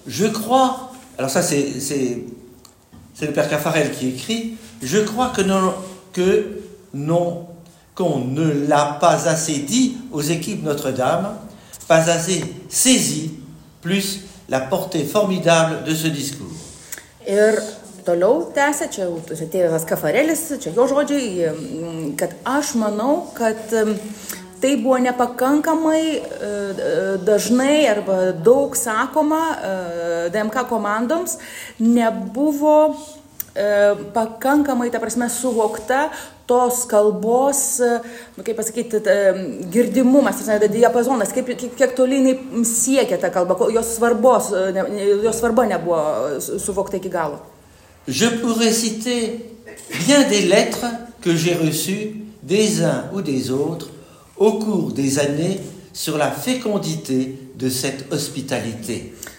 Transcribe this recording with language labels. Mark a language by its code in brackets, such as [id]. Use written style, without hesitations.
[fr] je crois alors ça c'est le père Caffarel qui écrit je crois qu'on ne l'a pas assez dit aux équipes Notre-Dame pas assez saisi plus la portée formidable de ce discours. [lt] Ir toliau tęsia, čia tėvas Caffarelis, čia jo žodžiai, kad aš manau, kad tai buvo nepakankamai dažnai arba daug sakoma DMK komandoms, nebuvo pakankamai, ta prasme, suvokta tos kalbos, kaip pasakyti, girdimumas, diapazonas, kiek toliai jinai siekia tą kalbą, jos svarba nebuvo suvokta iki galo. [fr] Je pourrais citer bien des lettres que j'ai reçues des uns ou des autres au cours des années sur la fécondité de cette hospitalité.